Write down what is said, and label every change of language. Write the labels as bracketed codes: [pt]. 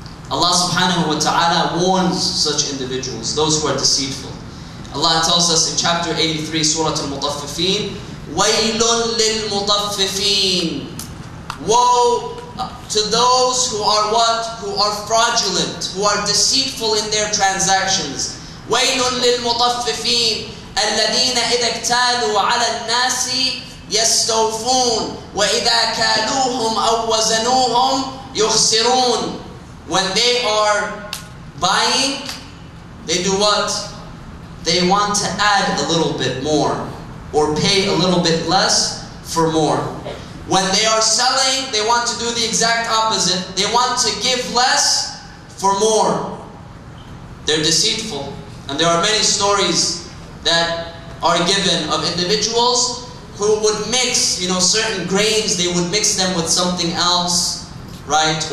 [en] Allah subhanahu wa ta'ala warns such individuals, those who are deceitful. Allah tells us in chapter 83, Surah Al-Mutaffifin, [ar] وَيْلٌ لِلْمُطَفِّفِينَ [en] Woe to those who are what? Who are fraudulent, who are deceitful in their transactions. [ar] وَيْلٌ لِلْمُطَفِّفِينَ الَّذِينَ إِذَا اكْتَالُوا عَلَى النَّاسِ يَسْتَوْفُونَ وَإِذَا كَالُوهُمْ أَوْ وَزَنُوهُمْ يُخْسِرُونَ [en] When they are buying, they do what? They want to add a little bit more or pay a little bit less for more. When they are selling, they want to do the exact opposite. They want to give less for more. They're deceitful. And there are many stories that are given of individuals who would mix, you know, certain grains, they would mix them with something else, right?